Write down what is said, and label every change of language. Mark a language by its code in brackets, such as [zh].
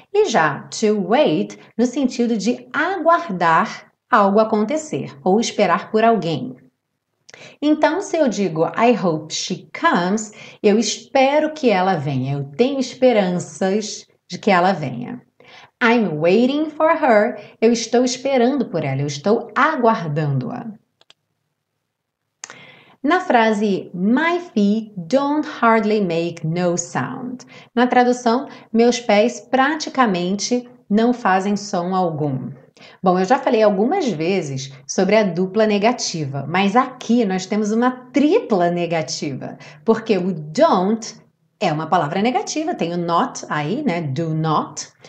[pt] E já to wait no sentido de aguardar algo acontecer ou esperar por alguém. Então, se eu digo [en] I hope she comes, [pt] eu espero que ela venha. Eu tenho esperanças de que ela venha. [en] I'm waiting for her. [pt] Eu estou esperando por ela. Eu estou aguardando-a. Na frase, [en] my feet don't hardly make no sound. [pt] Na tradução, meus pés praticamente não fazem som algum. Bom, eu já falei algumas vezes sobre a dupla negativa, mas aqui nós temos uma tripla negativa, porque o don't é uma palavra negativa, tem o not aí, né? Do not.